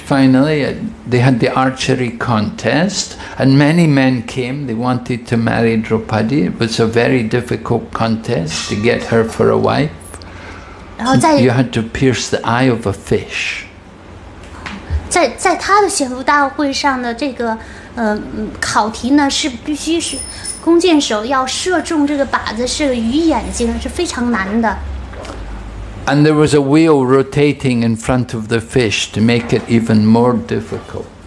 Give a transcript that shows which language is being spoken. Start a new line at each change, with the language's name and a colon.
English: Finally, they had the archery contest, and many men came. They wanted to marry Draupadi. It was a very difficult contest to get her for a wife. You had to pierce the eye of a fish.
Chinese: 在他的选夫大会上的这个考题呢，是必须是弓箭手要射中这个靶子，是鱼眼睛，是非常难的。
English: And there was a wheel rotating in front of the fish to make it even more difficult.